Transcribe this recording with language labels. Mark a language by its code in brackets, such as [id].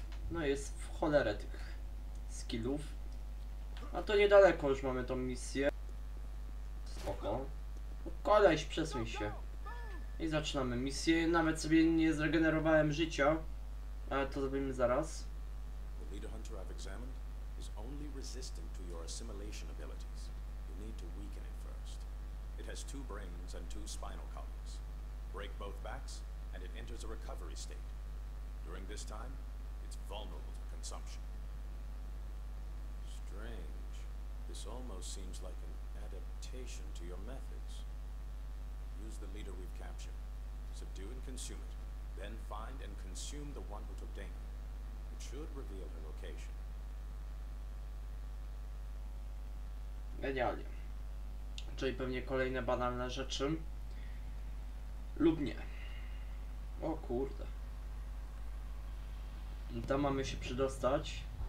[pl] No jest w cholerę tych skillów. A to niedaleko już mamy tą misję. Spoko. Koleś, przesuń się. I zaczynamy misję. Nawet sobie nie zregenerowałem życia. Ale to zrobimy zaraz. [en] Leader Hunter I've examined is only resistant to your assimilation abilities. You need to weaken it first. It has two brains and two spinal columns. Break both backs and it enters a recovery state. During this time, it's vulnerable to consumption. Strange. This almost seems like an adaptation to your methods. Use the leader we've captured. Subdue and consume it. Then find and consume the one who took Dana. It should reveal her location. [pl] Genialnie. Czyli pewnie kolejne banalne rzeczy. Lub nie. O kurde. Tam mamy się przedostać.